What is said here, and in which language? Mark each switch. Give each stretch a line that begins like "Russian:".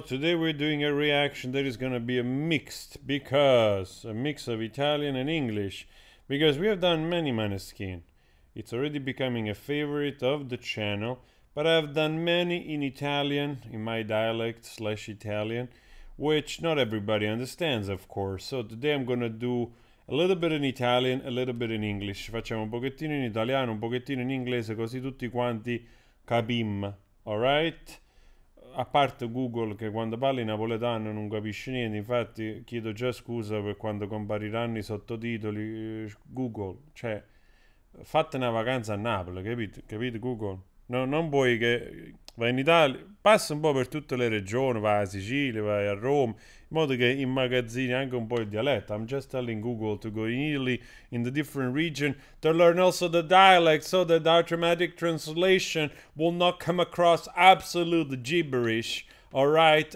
English: Today we're doing a reaction that is gonna be a mixed, because a mix of Italian and English, because we have done many Maneskin. It's already becoming a favorite of the channel, but I've done many in Italian, in my dialect slash Italian, which not everybody understands, of course. So today I'm gonna do a little bit in Italian, a little bit in English.
Italian: Facciamo un pochettino in italiano, un pochettino in inglese, così tutti quanti capim, alright? A parte Google, che quando parli napoletano non capisce niente, infatti chiedo già scusa per quando compariranno i sottotitoli. Google, cioè, fate una vacanza a Napoli, capite? Capite Google? No, non puoi che vai in Italia, passa un po' per tutte le regioni, vai a Sicilia, vai a Roma, in modo che immagazzini anche un po' il dialetto.
English: I'm just telling Google to go in Italy, in the different region, to learn also the dialect, so that the automatic translation will not come across absolute gibberish, alright?